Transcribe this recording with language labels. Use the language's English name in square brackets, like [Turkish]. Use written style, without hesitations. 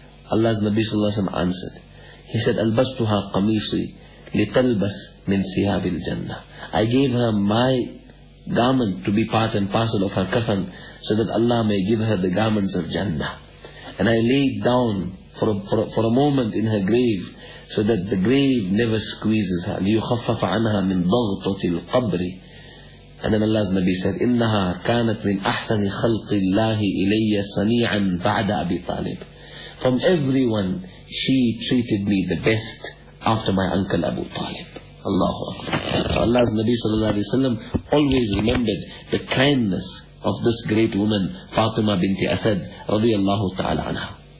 [English] Allah's Nabi sallallahu alayhi wa sallam answered. He said, [Arabic] Albastuha qamisi litalbas min siyabil jannah. [English] I gave her my garment to be part and parcel of her kafan so that Allah may give her the garments of Jannah. And I laid down for a moment in her grave so that the grave never squeezes her. [Arabic] لِيُخَفَّفَ عَنْهَا مِنْ ضَغْطَةِ الْقَبْرِ. [English] And then Allah's Nabi said, [Arabic] إِنَّهَا كَانَتْ مِنْ أَحْسَنِ خَلْقِ اللَّهِ إِلَيَّ صَنِيعًا بَعْدَ أَبِي طَالِبٍ. [English] From everyone, she treated me the best after my uncle Abu Talib. Allahu Akbar. Allah's Nabi sallallahu alayhi wa sallam always remembered the kindness of this great woman, Fatima binti Asad, radiyallahu ta'ala anha.